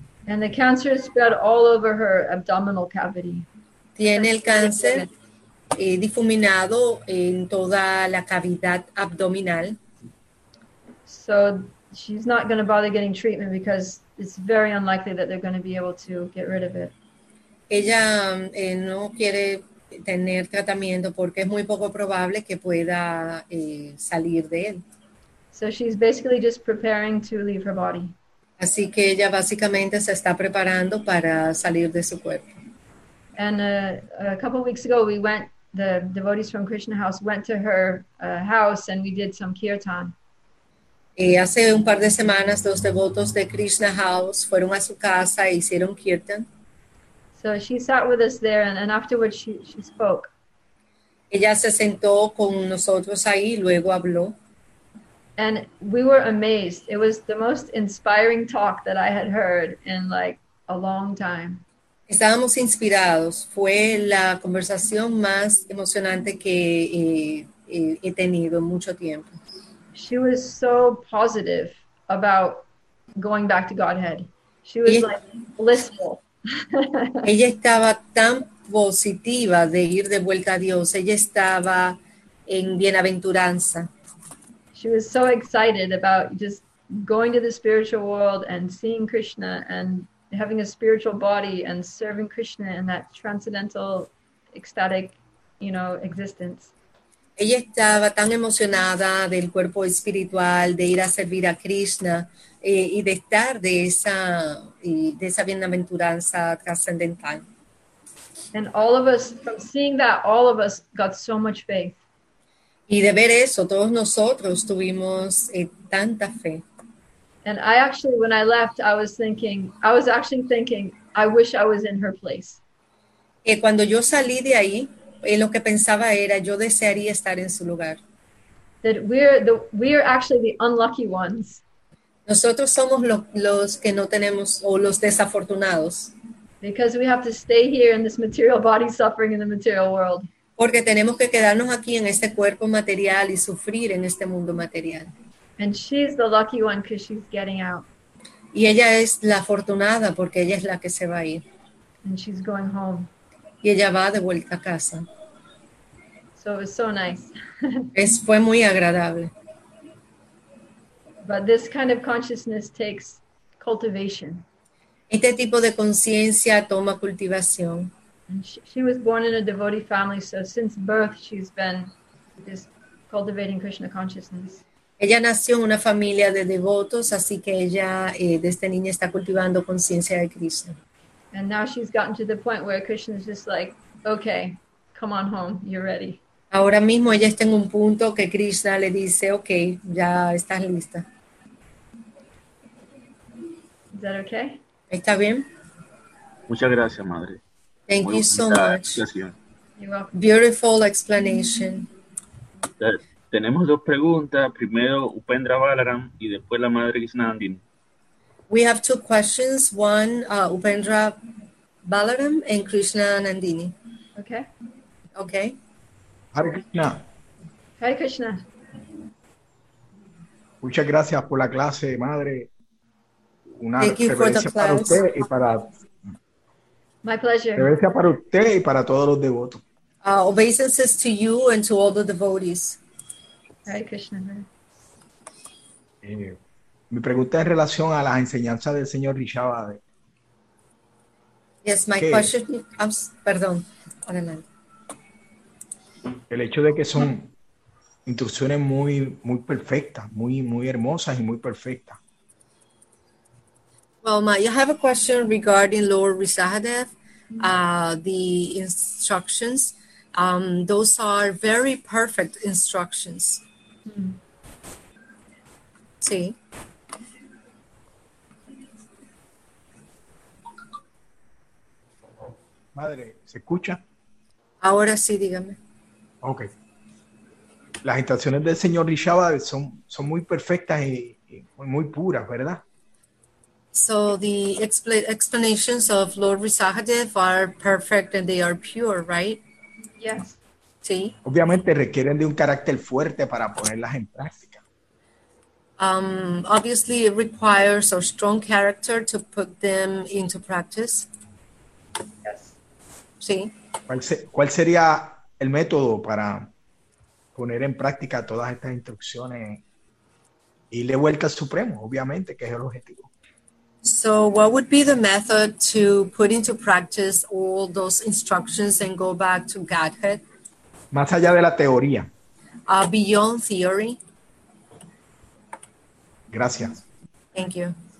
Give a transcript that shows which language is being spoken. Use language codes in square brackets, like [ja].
[en] And the cancer is spread all over her abdominal cavity. [es] Tiene el cáncer difuminado en toda la cavidad abdominal. [en] So she's not going to bother getting treatment because it's very unlikely that they're going to be able to get rid of it. [es] Ella no quiere tener tratamiento porque es muy poco probable que pueda salir de él. [en] So she's basically just preparing to leave her body. [es] Así que ella básicamente se está preparando para salir de su cuerpo. [en] And a couple of weeks ago we went, the devotees from Krishna House went to her house and we did some kirtan. [es] Hace un par de semanas los devotos de Krishna House fueron a su casa e hicieron kirtan. [en] So she sat with us there, and afterwards she spoke. [es] Ella se sentó con nosotros ahí, luego habló. [en] And we were amazed. It was the most inspiring talk that I had heard in like a long time. [es] Estábamos inspirados. Fue la conversación más emocionante que he tenido en mucho tiempo. [en] She was so positive about going back to Godhead. She was like blissful. [es] Ella estaba tan positiva de ir de vuelta a Dios. Ella estaba en bienaventuranza. [en] She was so excited about just going to the spiritual world and seeing Krishna and having a spiritual body and serving Krishna in that transcendental, ecstatic, you know, existence. [es] Ella estaba tan emocionada del cuerpo espiritual, de ir a servir a Krishna y de estar de esa bienaventuranza trascendental. [en] And all of us, from seeing that, all of us got so much faith. [es] Y de ver eso, todos nosotros tuvimos tanta fe. [en] And I actually, when I left, I was thinking, I wish I was in her place. [es] Cuando yo salí de ahí, lo que pensaba era, yo desearía estar en su lugar. [en] That we're actually the unlucky ones. [es] Nosotros somos los que no tenemos, o los desafortunados. [en] Because we have to stay here in this material body suffering in the material world. [es] Porque tenemos que quedarnos aquí en este cuerpo material y sufrir en este mundo material. [en] And she's the lucky one because she's getting out. [es] Y ella es la afortunada porque ella es la que se va a ir. [en] And she's going home. [es] Y ella va de vuelta a casa. [en] So it was so nice. [es] Fue muy agradable. [en] But this kind of consciousness takes cultivation. [es] Este tipo de conciencia toma cultivación. [en] She was born in a devotee family, so since birth she's been just cultivating Krishna consciousness. [es] Ella nació en una familia de devotos, así que ella desde niña está cultivando conciencia de Krishna. [en] And now she's gotten to the point where Krishna's just like, okay, come on home, you're ready. [es] Ahora mismo ella está en un punto que Krishna le dice, ok, ya estás lista. [en] That okay? [es] ¿Está bien? Muchas gracias, madre. [en] Thank [es] Muy [en] you so [es] bonita [en] much. [es] explicación. [en] You're welcome. Beautiful explanation. [es] Tenemos dos preguntas. Primero, Upendra Balaram y después la madre Krishnandini. [en] We have two questions, one Upendra Balaram and Krishna Nandini. Okay. Okay. Hare Krishna. Hare Krishna. [es] Muchas gracias por la clase, madre. Una [en] Thank you for the [es] reverencia para [en] class. [es] usted y para [en] My pleasure. [es] reverencia para usted y para todos los devotos. [en] Obeisances to you and to all the devotees. Hare Krishna. [es] Mi pregunta es en relación a las enseñanzas del señor Rishabhadev. [en] Yes, my [es] ¿Qué? question. Perdón, adelante. El hecho de que son instrucciones muy, muy perfectas, muy, muy hermosas y muy perfectas. [en] Well, Ma, you have a question regarding Lord Rishadev, the instructions. Those are very perfect instructions. [es] Sí. Madre, ¿se escucha? Ahora sí, dígame. Ok. Las instrucciones del señor Rishabhadev son muy perfectas y muy puras, ¿verdad? [en] So the explanations of Lord Visakhadev are perfect and they are pure, right? Yes. [es] Sí. Obviamente requieren de un carácter fuerte para ponerlas en práctica. [en] Obviously, it requires a strong character to put them into practice. [es] Sí. ¿Cuál sería el método para poner en práctica todas estas instrucciones y le vuelta al Supremo? Obviamente, que es el objetivo. [en] So, what would be the method to put into practice all those instructions and go back to Godhead? [es] Más allá de la teoría. [en] Beyond theory. [es] Gracias. [en] Thank you.